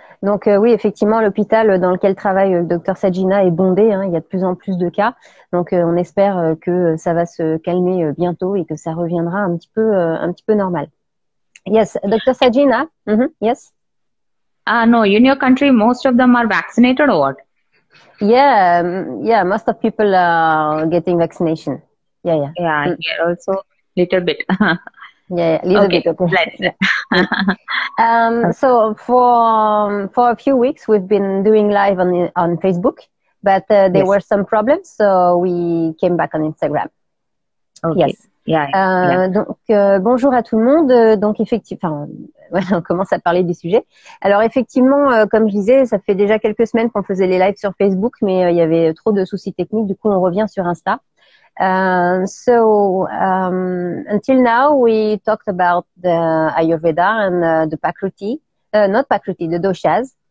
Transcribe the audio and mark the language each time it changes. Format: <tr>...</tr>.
<fr>Donc oui, effectivement, l'hôpital dans lequel travaille le docteur Sajina est bondé, hein, il y a de plus en plus de cas. Donc on espère que ça va se calmer bientôt et que ça reviendra un petit peu normal.</fr> <en>Yes, docteur Sajina, yes. No, in your country, most of them are vaccinated or what? Yeah, most of people are getting vaccination. Yeah. Yeah, here also little bit. Yeah, a little bit, Okay, okay. let's. Yeah. So for a few weeks we've been doing live on Facebook, but there Yes. were some problems, so we came back on Instagram. Okay. Yes. Yeah.</en> <fr>Bonjour à tout le monde. Donc effectivement, ouais, on commence à parler du sujet. Alors effectivement, comme je disais, ça fait déjà quelques semaines qu'on faisait les lives sur Facebook, mais il y avait trop de soucis techniques. Du coup, on revient sur Insta.</fr> <en>Until now we talked about the Ayurveda and the Prakriti, not Prakriti, the doshas.</en>